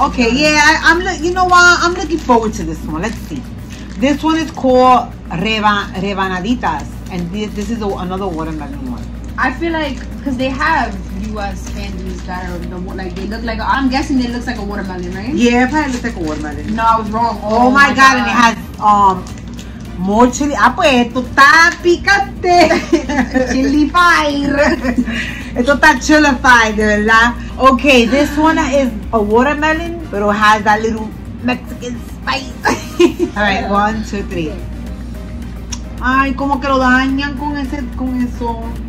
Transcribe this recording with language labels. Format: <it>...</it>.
<en>Okay, yeah, I'm looking forward to this one. Let's see. This one is called Rebanaditas. And this is another watermelon one. I feel like, because they have U.S. candies that are, like, they look like, I'm guessing it looks like a watermelon, right? Yeah, it probably looks like a watermelon. No, I was wrong. Oh my God. And it has more chili.</en> <es>Ah, pues, esto está picante.</es> <en>Chili fire.</en> <es>Esto está chilified, de verdad.</es> <en>Okay, this one is a watermelon, but it has that little Mexican spice. All right, yeah. 1, 2, 3. Okay.</en> <es>Ay, como que lo dañan con ese, con eso.</es>